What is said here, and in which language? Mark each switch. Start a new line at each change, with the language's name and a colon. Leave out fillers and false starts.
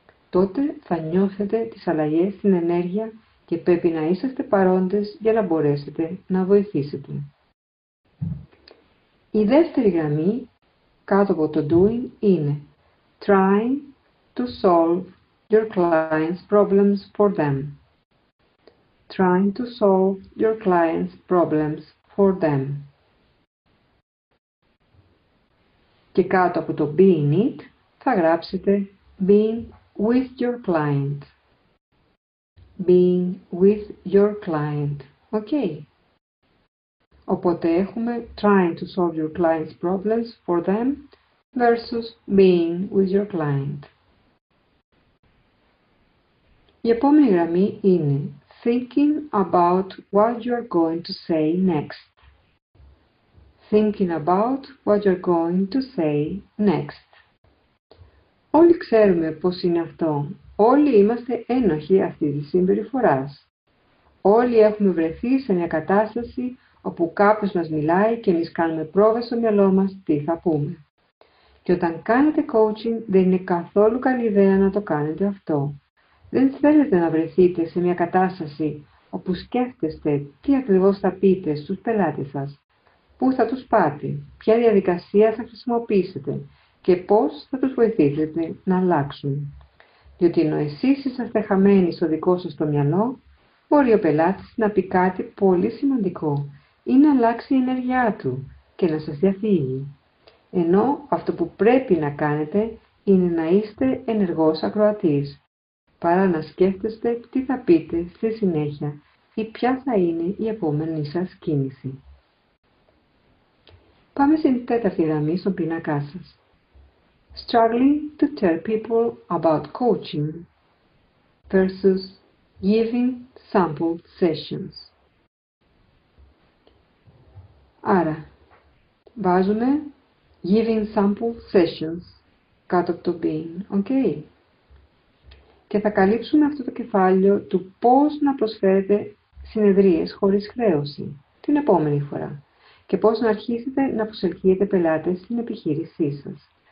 Greek: Τότε θα νιώθετε τις αλλαγές στην ενέργεια και πρέπει να είσαστε παρόντες για να μπορέσετε να βοηθήσετε. Η δεύτερη γραμμή κάτω από το
English: doing είναι trying to solve your client's problems for them. Trying to solve your client's problems for them.
Greek: Και κάτω από το being it θα γράψετε
English: being with your client. Being with your client. Okay.
Greek: Οπότε έχουμε
English: trying to solve your client's problems for them versus being with your client.
Greek: Η επόμενη γραμμή είναι
English: thinking about what you're going to say next. Thinking about what you're going to say next.
Greek: Όλοι ξέρουμε πώς είναι αυτό. Όλοι είμαστε ένοχοι αυτή τη συμπεριφορά. Όλοι έχουμε βρεθεί σε μια κατάσταση όπου κάποιος μας μιλάει και εμείς κάνουμε πρόβες στο μυαλό μας τι θα πούμε. Και όταν κάνετε coaching δεν είναι καθόλου καλή ιδέα να το κάνετε αυτό. Δεν θέλετε να βρεθείτε σε μια κατάσταση όπου σκέφτεστε τι ακριβώς θα πείτε στους πελάτες σας, πού θα τους πάτε, ποια διαδικασία θα χρησιμοποιήσετε και πώς θα τους βοηθήσετε να αλλάξουν. Διότι ενώ εσείς είσαστε χαμένοι στο δικό σας το μυαλό, μπορεί ο πελάτης να πει κάτι πολύ σημαντικό ή να αλλάξει η ενέργειά του και να σας διαφύγει. Ενώ αυτό που πρέπει να κάνετε είναι να είστε ενεργός ακροατής, παρά να σκέφτεστε τι θα πείτε στη συνέχεια ή ποια θα είναι η επόμενη σας κίνηση. Πάμε στην τέταρτη γραμμή στον πίνακά σας.
English: Struggling to tell people about coaching versus giving sample sessions.
Greek: Άρα, βάζουμε
English: giving sample sessions
Greek: κάτω από το being, ok? Και θα καλύψουμε αυτό το κεφάλαιο του πώς να προσφέρετε συνεδρίες χωρίς χρέωση την επόμενη φορά και πώς να αρχίσετε να προσελκύετε πελάτες στην επιχείρησή σας.